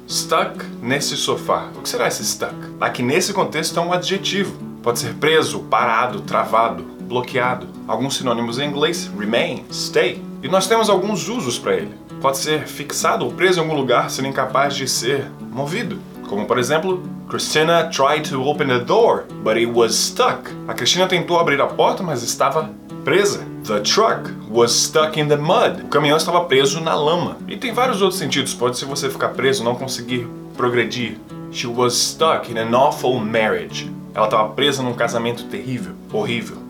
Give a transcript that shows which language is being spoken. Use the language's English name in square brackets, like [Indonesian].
[Portuguese] Stuck nesse sofá. O que será esse stuck? Aqui nesse contexto é um adjetivo. Pode ser preso, parado, travado, bloqueado. Alguns sinônimos em inglês, remain, stay. E nós temos alguns usos para ele. Pode ser fixado ou preso em algum lugar, sendo incapaz de ser movido. Como por exemplo, [English] Christina tried to open the door, but it was stuck. [Portuguese] A Christina tentou abrir a porta, mas estava presa. [English] The truck was stuck in the mud. [Portuguese] O caminhão estava preso na lama. E tem vários outros sentidos. Pode ser você ficar preso, não conseguir progredir. [English] She was stuck in an awful marriage. [Portuguese] Ela estava presa num casamento terrível, horrível.